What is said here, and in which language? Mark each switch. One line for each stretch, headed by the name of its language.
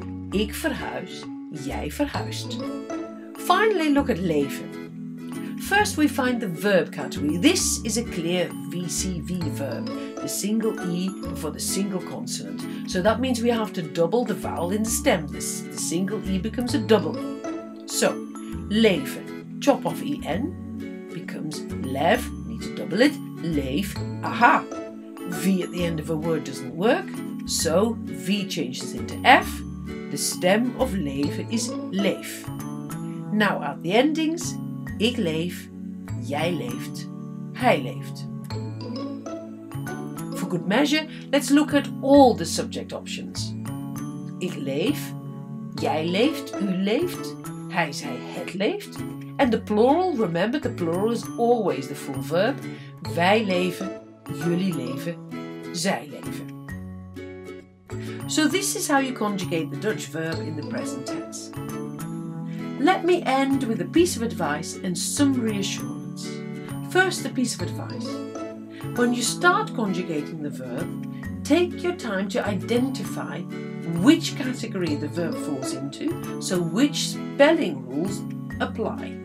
Dutch: Ik verhuis, jij verhuist.
English: Finally, look at leven. First, we find the verb category. This is a clear VCV verb, the single E before the single consonant. So that means we have to double the vowel in the stem. The single E becomes a double E. So, leven, chop off EN, becomes lev, need to double it, leef, aha. V at the end of a word doesn't work, so V changes into F. The stem of leven is leef. Now at the endings,
Dutch: ik leef, jij leeft, hij leeft.
English: For good measure, let's look at all the subject options.
Dutch: Ik leef, jij leeft, u leeft, hij, zij, het leeft.
English: And the plural, remember the plural is always the full verb.
Dutch: Wij leven, jullie leven, zij leven.
English: So this is how you conjugate the Dutch verb in the present tense. Let me end with a piece of advice and some reassurance. First, a piece of advice. When you start conjugating the verb, take your time to identify which category the verb falls into, so which spelling rules apply.